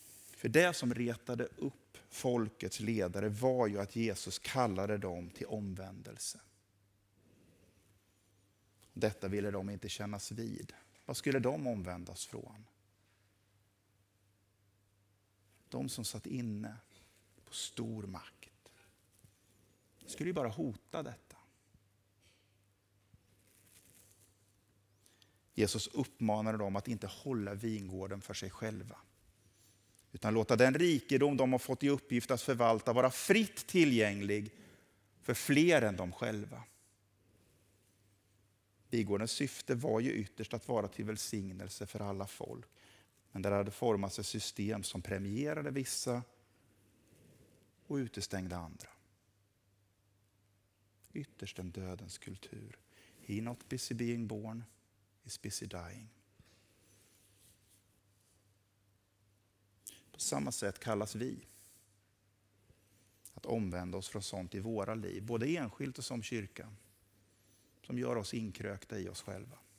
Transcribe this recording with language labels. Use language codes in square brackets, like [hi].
[sv] För det som retade upp folkets ledare var ju att Jesus kallade dem till omvändelse. Detta ville de inte kännas vid. Vad skulle de omvändas från? De som satt inne på stor makt skulle ju bara hota detta. Jesus uppmanade dem att inte hålla vingården för sig själva. Utan låta den rikedom de har fått i uppgift att förvalta vara fritt tillgänglig för fler än de själva. Vingårdens syfte var ju ytterst att vara till välsignelse för alla folk. Men där hade formats ett system som premierade vissa och utestängde andra. Ytterst en dödens kultur. [en] He not busy being born, is busy dying. [sv] På samma sätt kallas vi att omvända oss från sånt i våra liv. Både enskilt och som kyrka. Som gör oss inkrökta i oss själva.